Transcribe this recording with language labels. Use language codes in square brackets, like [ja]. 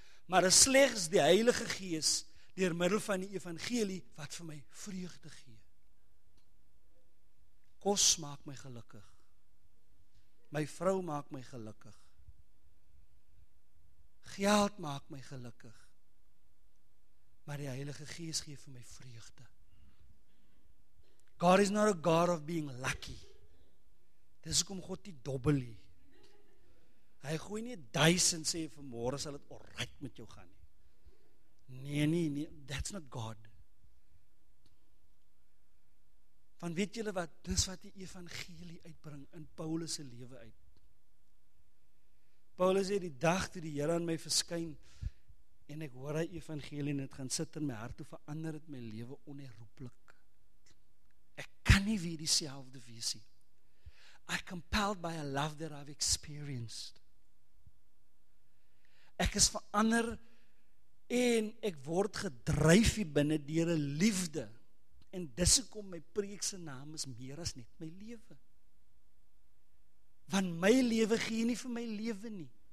[af] Maar dis slegs die Heilige Gees deur middel van die evangelie wat vir my vreugde gee. Kos maak my gelukkig. My vrou maak my gelukkig. Geld maak my gelukkig, maar die Heilige Gees gee vir my vreugde. [en] God is not a God of being lucky. [af] Dis hoekom God nie dobbel nie. Hy gooi nie 1000 sê vanmôre sal dit alright met jou gaan nie. Nee, [en] that's not God. [af] Van weet julle wat, dis wat die evangelie uitbring in Paulus se lewe uit. Paulus sê, die dag toe die Here aan my verskyn en ek hoor hy evangelie en het gaan sit in my hart, toe verander het my lewe onherroepelik. Ek kan nie weer dieselfde wees nie. [en] I'm compelled by a love that I've experienced. [af] Ek is verander en ek word gedryf hier binne deur 'n liefde. En dis hoekom my preek se naam is meer as net my lewe. Want my lewe gee nie vir my lewe nie.